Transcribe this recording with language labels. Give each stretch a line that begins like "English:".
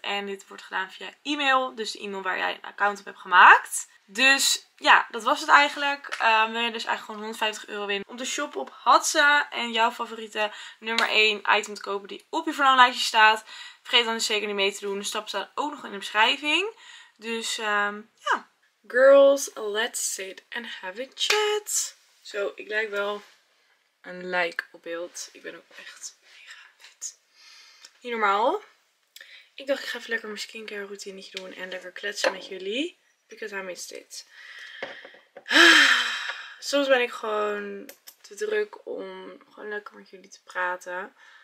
Dutch: En dit wordt gedaan via e-mail. Dus de e-mail waar jij een account op hebt gemaakt. Dus ja, dat was het eigenlijk. Wil je dus eigenlijk gewoon 150 euro winnen om te shoppen op Hadza. En jouw favoriete nummer 1 item te kopen die op je verlanglijstje staat. Vergeet dan dus zeker niet mee te doen. De stap staat ook nog in de beschrijving. Dus ja.
English: Girls, let's sit and have a chat.
Dutch: Zo, ik lijk wel een like op beeld. Ik ben ook echt mega vet. Niet normaal. Ik dacht, ik ga even lekker mijn skincare routine doen en lekker kletsen met jullie.
English: Because I missed it.
Dutch: Soms ben ik gewoon te druk om gewoon lekker met jullie te praten.